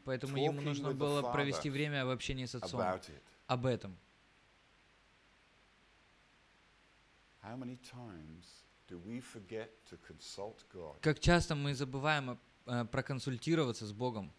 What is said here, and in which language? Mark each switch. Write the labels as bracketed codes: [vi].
[ru] Поэтому ему нужно было провести время в общении с Отцом. [en] About it. [ru] Об этом. [en] How many times do we forget to consult God? [ru] Как часто мы забываем проконсультироваться с Богом?